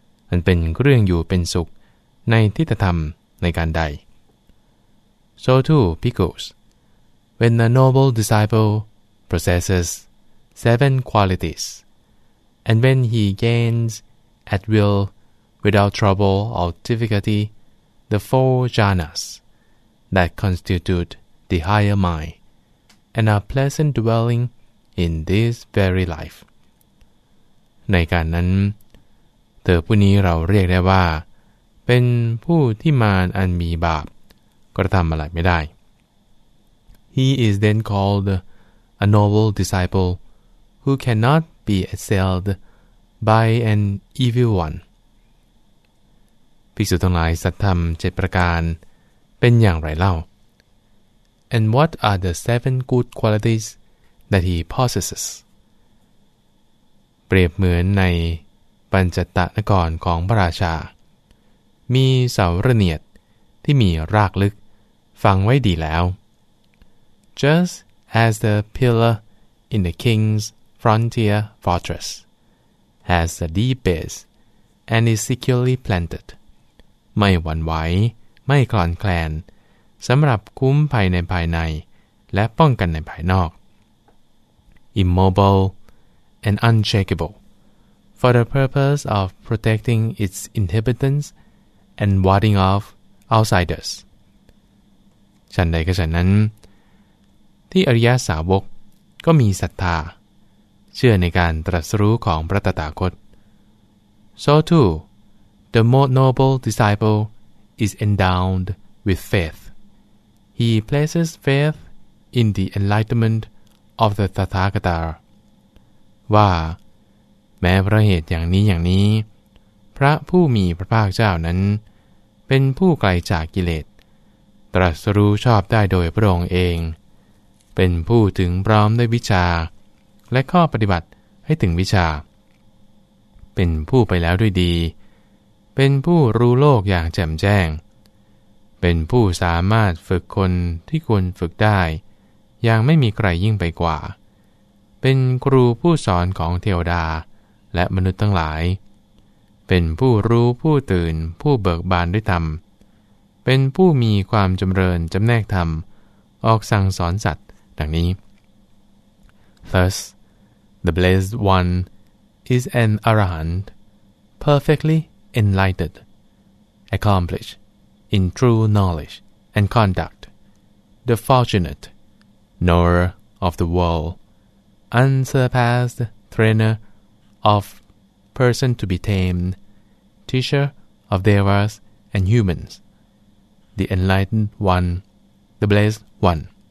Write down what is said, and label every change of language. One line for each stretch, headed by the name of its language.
Thai: อันเป็นเรื่องอยู่เป็นสุขในทิฏฐธรรมในการใด
English: So too, Pickles, when a noble disciple possesses 7 qualities, and when he gains at will without trouble or difficultyThe four jhanas that constitute the higher mind and are pleasant dwelling in this very life.
Thai: ในการนั้นเธอผู้นี้เราเรียกได้ว่าเป็นผู้ที่มารอันมีบาปกระทำอะไรไม่ได้
English: He is then called a noble disciple who cannot be assailed by an evil one.
Thai: ภิกษุทั้งหลายสัจธรรม7ประการเป็นอย่างไรเล่า
English: And what are the 7 good qualities that he possesses
Thai: เปรียบเหมือนในปัญจตนครของพระราชามีเสาระเนียดที่มีรากลึกฝังไว้ดีแล้ว
English: Just as the pillar in the king's frontier fortress has a deep base and is securely planted
Thai: ไม่หวั่นไหวไม่คลอนแคลน สำหรับคุ้มภัยในภายในและป้องกันในภายนอก
English: Immobile and unshakable for the purpose of protecting its inhabitants and warding off outsiders
Thai: ฉันใดก็ฉันนั้นที่อริยสาวกก็มีศรัทธาเชื่อในการตรัสรู้ของพระตถาคต
English: So too, the more noble disciple is endowed with faith. He places faith in the enlightenment of the Tathagata.
Thai: ว่าแม้พระเหตุอย่างนี้อย่างนี้พระผู้มีพระภาคเจ้านั้นเป็นผู้ไกลจากกิเลสตรัสรู้ชอบได้โดยพระองค์เองเป็นผู้ถึงพร้อมด้วยวิชาและข้อปฏิบัติให้ถึงวิชา เป็นผู้ไปแล้วด้วยดีเป็นผู้รู้โลกอย่างแจ่มแจ้งเป็นผู้สามารถฝึกคนที่ควรฝึกได้อย่างไม่มีใครยิ่งไปกว่าเป็นครูผู้สอนของเทวดาและมนุษย์ทั้งหลายเป็นผู้รู้ผู้ตื่นผู้เบิกบานด้วยธรรมเป็นผู้มีความจำเริญจำแนกธรรมออกสั่งสอนสัตว์ดังนี้
English: Thus the blessed oneis an Arahant, perfectly enlightened, accomplished in true knowledge and conduct, the fortunate, knower of the world, unsurpassed trainer of person to be tamed, teacher of devas and humans, the enlightened one, the blessed one.